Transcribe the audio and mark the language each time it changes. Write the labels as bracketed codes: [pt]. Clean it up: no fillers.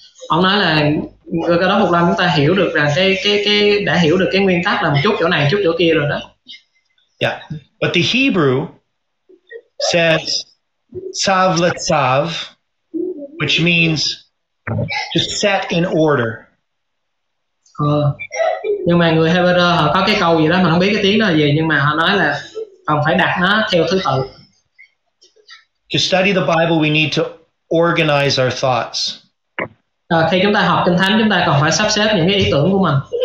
[vi] Ông nói là Cơ đốc Phục Lâm chúng ta hiểu được rằng cái đã hiểu được cái nguyên tắc là một chút chỗ này, chút chỗ kia rồi đó. [en] Yeah, but the Hebrew says tzav letzav, which means to set in order. [vi] Nhưng mà người Hebrew họ có cái câu gì đó mà không biết cái tiếng đó là gì, nhưng mà họ nói là còn phải đặt nó theo thứ tự. [en] To study the Bible, we need to organize our thoughts. [vi] Khi chúng ta học kinh thánh, chúng ta còn phải sắp xếp những cái ý tưởng của mình.